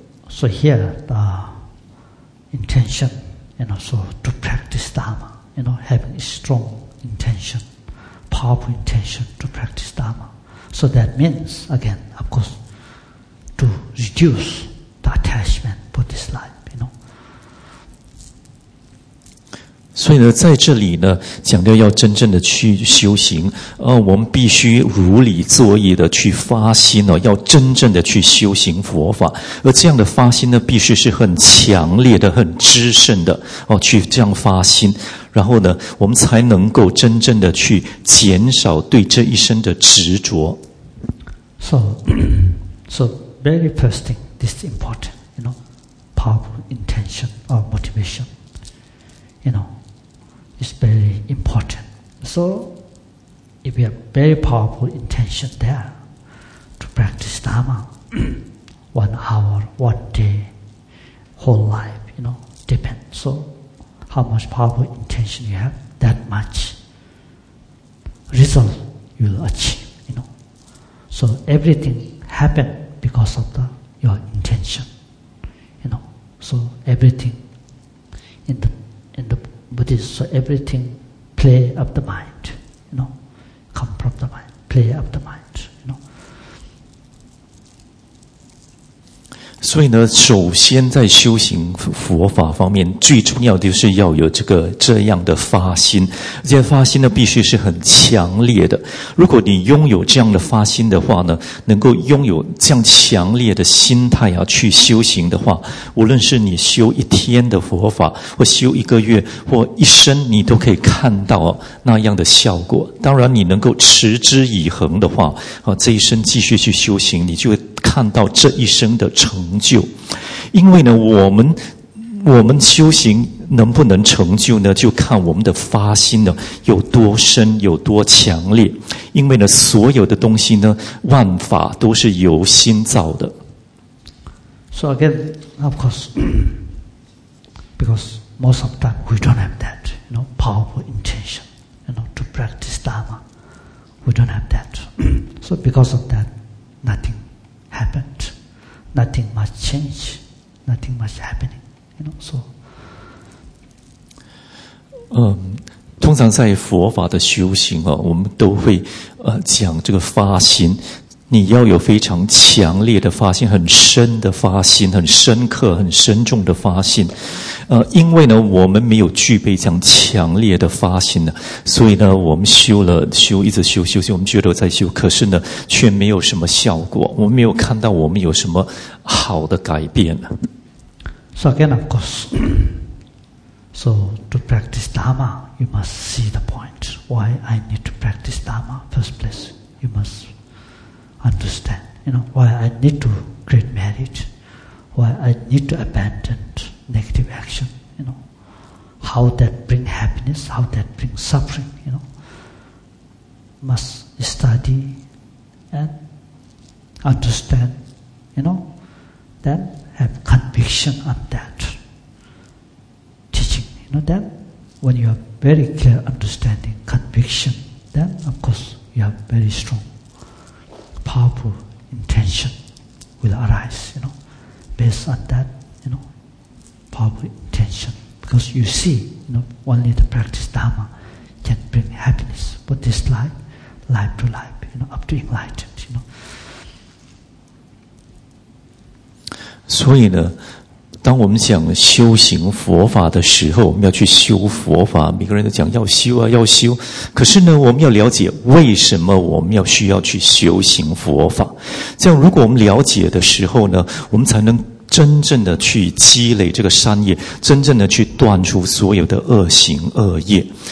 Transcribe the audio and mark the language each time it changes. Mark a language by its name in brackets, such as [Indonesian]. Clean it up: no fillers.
[English] So here, the intention, you know, so to practice Dharma, you know, having a strong intention, powerful intention to practice Dharma. So that means, again, of course, to reduce the attachment for this life. [Chinese] 所以呢，在这里呢，讲到要真正的去修行，我们必须如理作意的去发心呢，要真正的去修行佛法，而这样的发心呢，必须是很强烈的、很炽盛的哦，去这样发心，然后呢，我们才能够真正的去减少对这一生的执着。 [English] So very first thing, this is important, you know, powerful intention or motivation, you know. It's very important. So, if you have very powerful intention there to practice Dharma, 1 hour, 1 day, whole life, you know, depends. So, how much powerful intention you have, that much result you will achieve, you know. So, everything happens because of your intention, you know. So, everything in the Buddhist, so everything play of the mind, you know, come from the mind, play of the mind, you know. [Chinese] 所以呢，首先在修行佛法方面，最重要的就是要有这样的发心。这样发心呢，必须是很强烈的。如果你拥有这样的发心的话呢，能够拥有这样强烈的心态啊，去修行的话，无论是你修一天的佛法，或修一个月，或一生，你都可以看到那样的效果。当然，你能够持之以恒的话，这一生继续去修行，你就会看到这一生的成就。因为呢，我们修行能不能成就呢，就看我们的发心呢有多深，有多强烈。因为呢，所有的东西呢，万法都是由心造的。 [English] So again, of course, because most of the time we don't have that, you know, powerful intention, you know, to practice Dharma. We don't have that. So because of that, nothing happened. nothing much change, nothing much happening. You know, so. [Chinese] 通常在佛法的修行啊，我们都会讲这个发心。你要有非常强烈的发心，很深的发心，很深刻，很深重的发心。因为呢，我们没有具备这样强烈的发心呢，所以呢，我们修了修，一直修修修，我们觉得在修，可是呢，却没有什么效果。我们没有看到我们有什么好的改变呢。 [English] So again, of course, so to practice Dharma, you must see the point. Why I need to practice Dharma? First place, you must understand. You know why I need to create merit. Why I need to abandon negative action. You know how that bring happiness. How that bring suffering. You know must study and understand. You know then have conviction on that teaching. You know then when you have very clear understanding, conviction, then of course you have very strong. Powerful intention will arise, you know, based on that, you know, powerful intention. Because you see, you know, only the practice Dharma can bring happiness for this life, life to life, you know, up to enlightenment, you know. [Chinese] 所以呢，当我们讲修行佛法的时候，我们要去修佛法。每个人都讲要修啊，要修。可是呢，我们要了解为什么我们要需要去修行佛法。这样，如果我们了解的时候呢，我们才能真正的去积累这个善业，真正的去断除所有的恶行恶业。